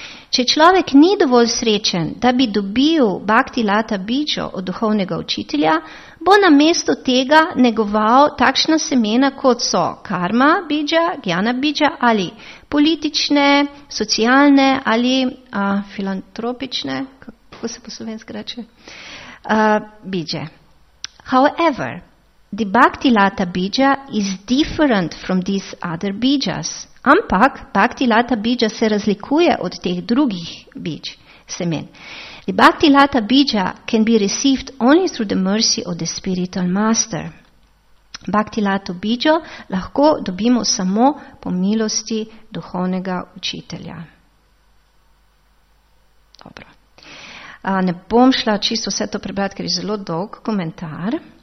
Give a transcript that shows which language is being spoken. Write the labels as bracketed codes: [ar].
[sl] Če človek ni dovolj srečen, da bi dobil Bhakti Lata Bijo od duhovnega učitelja, bo namesto tega negoval takšna semena, kot so Karma Bija, Gyana Bija ali politične, socialne ali filantropične, kako se po slovensko reče, bije. [en] However, the Bhakti Lata Bija is different from these other bijas. [sl] Ampak Bhakti Lata Bija se razlikuje od teh drugih bij semen. [en] The Bhakti Lata Bija can be received only through the mercy of the spiritual master. [sl] Bhakti Lata Bijo lahko dobimo samo po milosti duhovnega učitelja. Dobro. Ne bom šla čisto vse to prebrati, ker je zelo dolg komentar.